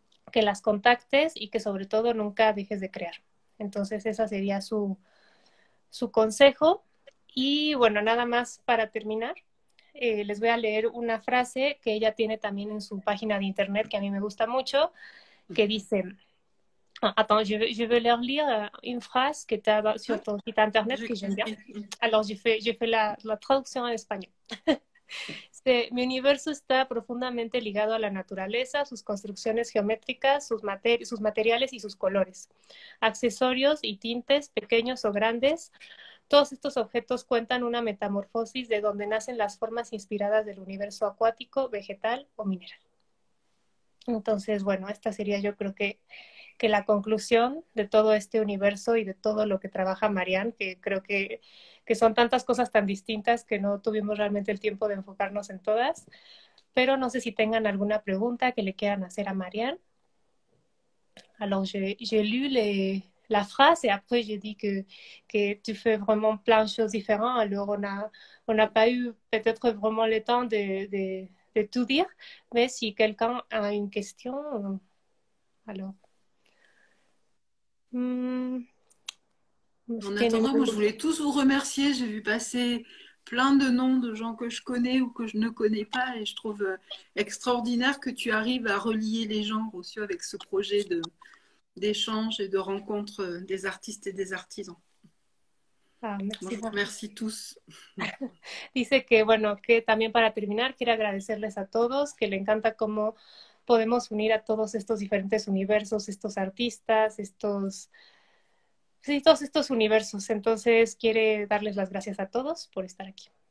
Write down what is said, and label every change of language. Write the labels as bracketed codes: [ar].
[es] que las contactes y que sobre todo nunca dejes de crear. Entonces, ese sería su consejo. Y bueno, nada más para terminar, les voy a leer una frase que ella tiene también en su página de internet, que a mí me gusta mucho, que dice... [fr] Attends, je vais leur lire une phrase que tu as sur ton site internet que j'aime bien. Alors, je fais la [es] traducción en español. Mi universo está profundamente ligado a la naturaleza, sus construcciones geométricas, sus materiales y sus colores. Accesorios y tintes, pequeños o grandes, todos estos objetos cuentan una metamorfosis de donde nacen las formas inspiradas del universo acuático, vegetal o mineral. Entonces, bueno, esta sería yo creo que la conclusión de todo este universo y de todo lo que trabaja Marianne, que creo que son tantas cosas tan distintas que no tuvimos realmente el tiempo de enfocarnos en todas, pero no sé si tengan alguna pregunta que le quieran hacer a Marianne. [fr] Alors, j'ai lu la frase et après j'ai dit que tu fais vraiment plein de choses différentes, alors on a pas eu peut-être vraiment le temps de tout dire, mais si quelqu'un a une question, alors... En attendant, moi, je voulais tous vous remercier. J'ai vu passer plein de noms de gens que je connais ou que je ne connais pas et je trouve extraordinaire que tu arrives à relier les gens aussi avec ce projet d'échange et de rencontre des artistes et des artisans. Ah, merci. Bon, merci tous. [es] Dice que, bueno, que también para terminar, quiero agradecerles a todos, que le encanta cómo podemos unir a todos estos diferentes universos, estos artistas, todos estos universos. Entonces, quiere darles las gracias a todos por estar aquí.